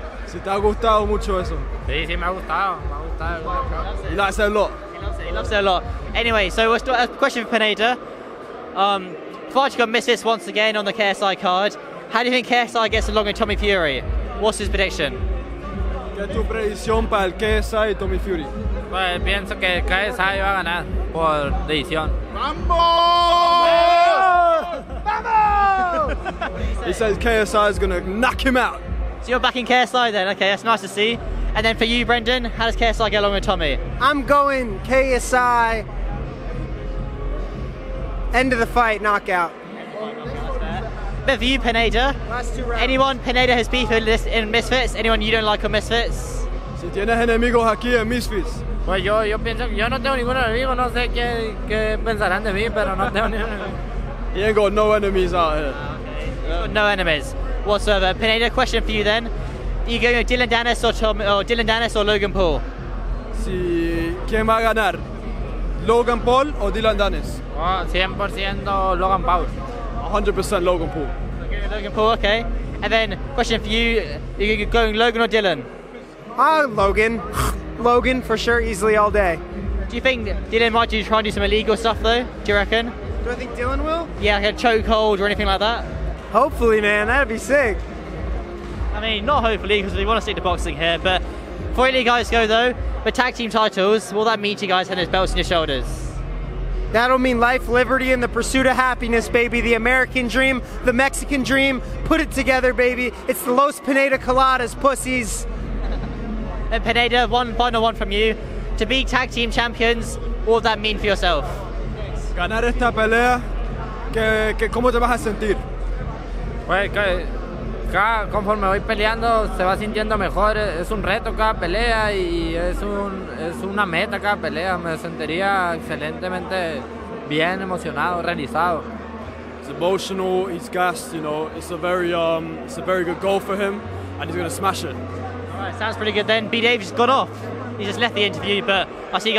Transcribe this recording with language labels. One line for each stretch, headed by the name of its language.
Spanish: Si te ha gustado mucho eso. Sí, me ha gustado.
English: He likes it a lot. He loves it a lot. Anyway, so a question for Pineda. Fudge got missed this once again on the KSI card. How do you think KSI gets along with Tommy Fury? What's his prediction?
Spanish: ¿Qué es tu predicción para el KSI y Tommy Fury? Pues pienso que el KSI va a ganar por decisión. ¡Vamos! ¡Vamos!
English: He says KSI is going to knock him out. So you're back in KSI then, okay, that's nice to see. And then for you, Brendan, how does KSI get along with Tommy? I'm going KSI. End of the fight, knockout. But for you, Pineda. Last two rounds. Anyone Pineda has beef in Misfits? Anyone you don't like on Misfits?
Spanish: Si tienes enemigos aquí en Misfits. Pues yo pienso, yo no tengo ningún enemigo, no sé qué pensarán de mí, pero no tengo ningún enemigo.
English: He ain't got no enemies out here. Okay. No enemies. Whatsoever. Pineda, question for you then. Are you going with Dylan Danis or Logan Paul?
Spanish: Si, ¿quién va a ganar? ¿Logan Paul o Dylan Danis?
English: 100% Logan Paul. 100% Logan Paul. Logan Paul, okay. And then, question for you. Are you going Logan or Dylan? Logan. Logan, for sure, easily all day. Do you think Dylan might try and do some illegal stuff though? Do you reckon? Do I think Dylan will? Yeah, like a chokehold or anything like that. Hopefully, man, that'd be sick. I mean, not hopefully, because we want to stick to boxing here, but for any guys go though, the tag team titles, will that mean to you guys having those belts on your shoulders? That'll mean life, liberty, and the pursuit of happiness, baby. The American dream, the Mexican dream, put it together, baby. It's the Los Pineda Coladas, pussies. And Pineda, one final one from you. To be tag team champions, what would that mean for yourself?
Spanish: Ganar esta pelea, que cómo te vas a sentir? Pues que cada conforme voy peleando se va sintiendo mejor, es un reto cada pelea y es una meta cada pelea, me sentiría excelentemente bien emocionado, realizado.
English: He's emotional, he's gassed, you know, it's a very good goal for him and he's going to smash it. Alright, sounds pretty good then. Bdave's gone off, he just left the interview, but I'll see you guys.